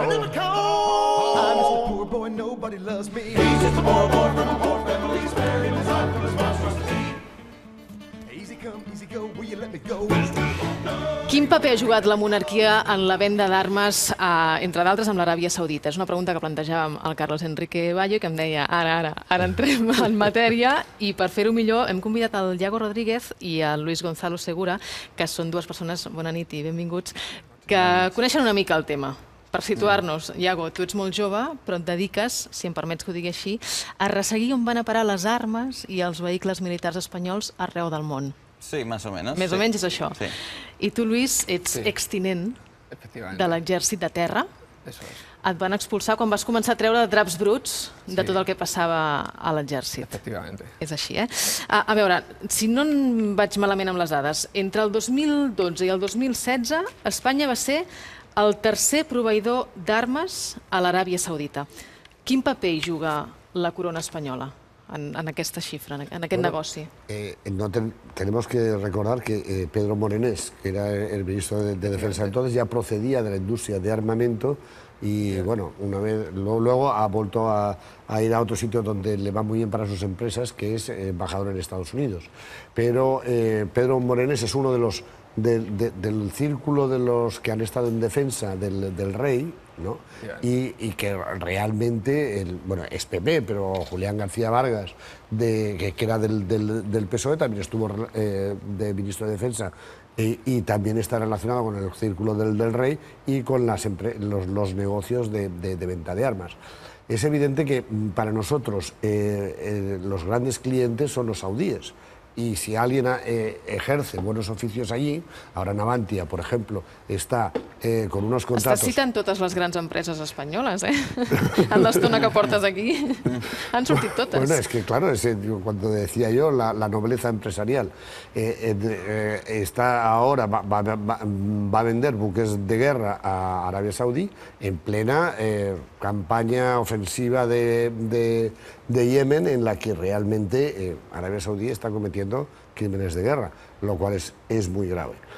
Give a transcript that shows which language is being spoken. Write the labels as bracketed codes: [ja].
[en] I'm just a poor boy, nobody loves me. He's just a poor boy from a poor family, sparing his life for his monstrosity. Easy come, easy go, will you let me go? [ca] Quin paper ha jugat la monarquia en la venda d'armes, entre d'altres, amb l'Aràbia Saudita? És una pregunta que plantejàvem al Carlos Enrique Bayo, que em deia, ara entrem en matèria, i per fer-ho millor hem convidat el Iago Rodríguez i el Luis Gonzalo Segura, que són dues persones, bona nit i benvinguts, que coneixen una mica el tema. Per situar-nos, Iago, tu ets molt jove, però et dediques, si em permets que ho digui així, a resseguir on van a parar les armes i els vehicles militars espanyols arreu del món. [es] Sí, más o menos. [ca] Més o menys és això. I tu, Luis, ets extinent de l'exèrcit de terra. Et van expulsar quan vas començar a treure draps bruts de tot el que passava a l'exèrcit. Efectivament. És així, eh? A veure, si no em vaig malament amb les dades, entre el 2012 i el 2016, Espanya va ser el tercer proveïdor d'armes a l'Aràbia Saudita. Quin paper hi juga la corona espanyola en aquesta xifra, en aquest negoci? [es] No tenemos que recordar que Pedro Morenés, que era el ministro de Defensa entonces, ya procedía de la industria de armamento y, bueno, una vez, luego ha vuelto a ir a otro sitio donde le va muy bien para sus empresas, que es embajador en Estados Unidos. Pero Pedro Morenés es uno de los del círculo de los que han estado en defensa del rey, ¿no? Y que realmente, bueno, es PP, pero Julián García Vargas, que era del PSOE, también estuvo de ministro de Defensa y también está relacionado con el círculo del rey y con los negocios de venta de armas. Es evidente que para nosotros los grandes clientes son los saudíes. Y si alguien ejerce buenos oficios allí, ahora Navantia, por ejemplo, está con unos contratos... Necesitan [ca] totes les grans empreses espanyoles, ¿eh? En l'estona que portes aquí. Han sortit totes. [es] Bueno, es que claro, cuando decía yo, la nobleza empresarial está ahora, va a vender buques de guerra a Arabia Saudí en plena campaña ofensiva de Yemen, en la que realmente Arabia Saudí está cometiendo crímenes de guerra, lo cual es muy grave.